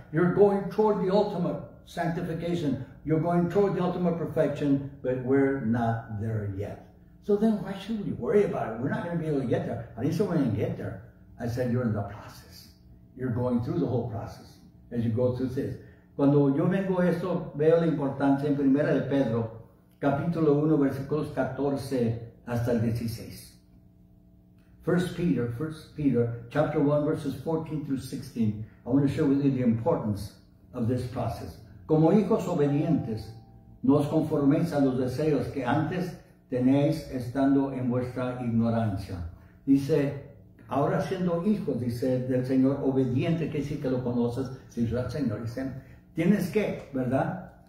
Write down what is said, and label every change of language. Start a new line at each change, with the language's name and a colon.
English: You're going toward the ultimate sanctification. You're going toward the ultimate perfection, but we're not there yet. So then why should we worry about it? We're not going to be able to get there. I didn't say we're going to get there. I said you're in the process. You're going through the whole process as you go through this.
Spanish: Cuando yo vengo a esto, veo la importancia en Primera de Pedro, capítulo 1, versículos 14 hasta el 16.
English: First Peter, chapter 1, verses 14 through 16. I want to show with you the importance of this process.
Spanish: Como hijos obedientes, no os conforméis a los deseos que antes tenéis estando en vuestra ignorancia. Dice, ahora siendo hijos, dice, del Señor, obediente, que sí que lo conoces, si es el Señor, dice, tienes que, ¿verdad?